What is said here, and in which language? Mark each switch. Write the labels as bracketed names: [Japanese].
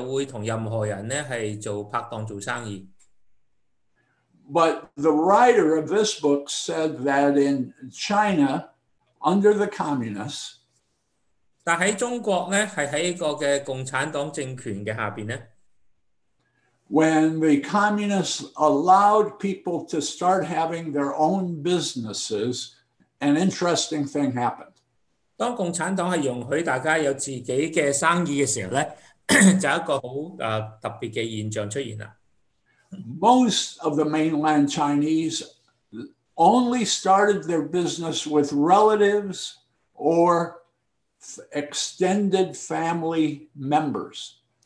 [Chinese] 他就说北美的白种人就会跟任何人做拍档做生意. [English] But the writer of this book said that in China, under the communists, [Chinese] 但在中国呢,是在一个共产党政权的下面呢, [English] when the communists allowed people to start having their own businesses, an interesting thing happened. [Chinese] 当共产党是容许大家有自己的生意的时候呢,就有一个很特别的现象出现了. [English] Most of the mainland Chinese only started their business with relatives or extended family members.